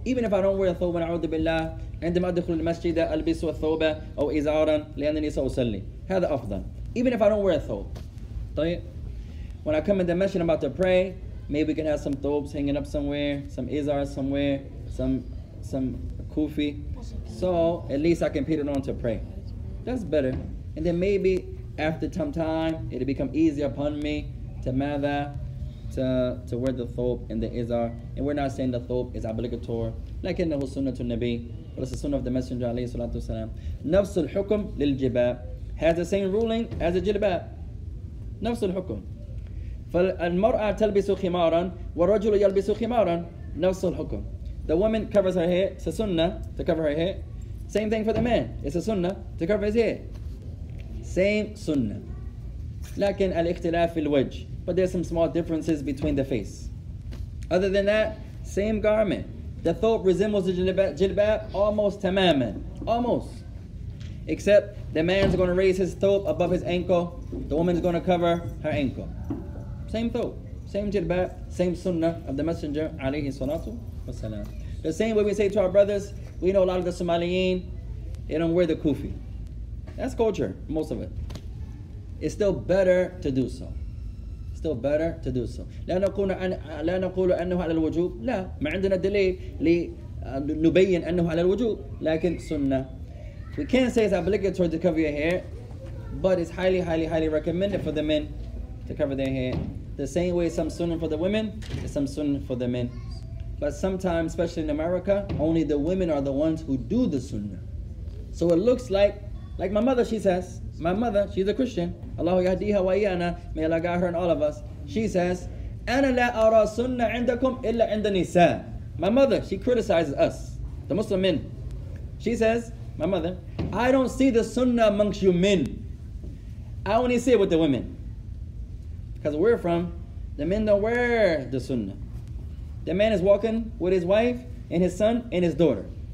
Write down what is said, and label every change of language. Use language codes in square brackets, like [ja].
[en] Even if I don't wear a thawb, [ar] a'udhu billah, عندما أدخل المسجد ألبس ثوبا أو إزارا لأنني سأصلي. هذا أفضل. [en] Even if I don't wear a thawb. طيب. When I come in the masjid and I'm about to pray, maybe we can have some thawbs hanging up somewhere, some izar somewhere, some kufi. So at least I can put it on to pray. That's better. And then maybe after some time, it'll become easier upon me to wear the thawb and the izar. And we're not saying the thawb is obligatory. Like in the sunnah to Nabi, but it's the sunnah of the messenger alayhi salatu wasalam. Nafsul hukum lil jibab has the same ruling as a jilbab. Nafsul hukum. [ar] فالمرأة تلبس خمارا والرجل يلبس خمارا نفس الحكم. [en] The woman covers her head, it's a sunnah to cover her head. Same thing for the man, it's a sunnah to cover his head. Same sunnah. [ar] لكن الاختلاف في الوجه. [en] But there's some small differences between the face. Other than that, same garment. the thought resembles the jilbab almost tamaman, almost. Except the man's gonna raise his thobe above his ankle, the woman's gonna cover her ankle. Same thobe, same jilbab, same sunnah of the Messenger alayhi salatu wasalam. The same way we say to our brothers, we know a lot of the Somaliyin, they don't wear the kufi. That's culture, most of it. It's still better to do so. Still better to do so. [ar] لا نقول أنه على الوجوب. لا ما عندنا دليل لنبين أنه على الوجوب. لكن سنة. [en] We can't say it's obligatory to cover your hair, but it's highly, highly, highly recommended for the men to cover their hair. The same way some sunnah for the women, some sunnah for the men. But sometimes, especially in America, only the women are the ones who do the sunnah. So it looks like my mother, she says, my mother, she's a Christian. Allahu yahdiha wa iyana, may Allah guide her and all of us. She says, [ar] أنا لا أرى سنة عندكم إلا عند النساء. [en] My mother, she criticizes us, the Muslim men. She says, my mother, I don't see the sunnah amongst you men. I only see it with the women. Because where from, the men don't wear the sunnah. The man is walking with his wife and his son and his daughter.